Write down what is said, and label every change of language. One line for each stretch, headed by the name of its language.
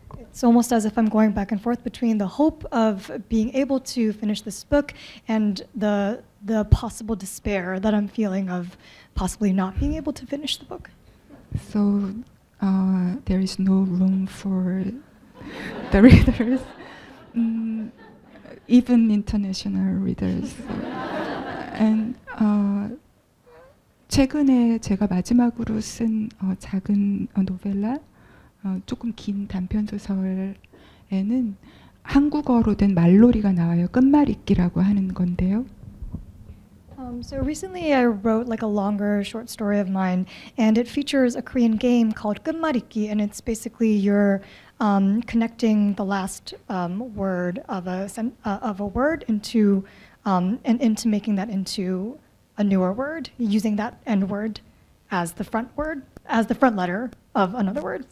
English: It's almost as if I'm going back and forth between the hope of being able to finish this book and the possible despair that I'm feeling of possibly not being able to finish the book. So there is no room for the readers, even international readers.
Korean: And 최근에 제가 마지막으로 쓴 작은 노벨라, 조금 긴 단편 소설에는 한국어로 된 말놀이가 나와요. 끝말잇기라고 하는 건데요.
English: So recently I wrote like a longer short story of mine, and it features a Korean game called 끝말잇기, and it's basically you're connecting the last word of a word into and into making that into a newer word, using that end word as the front word, as the front letter of another word.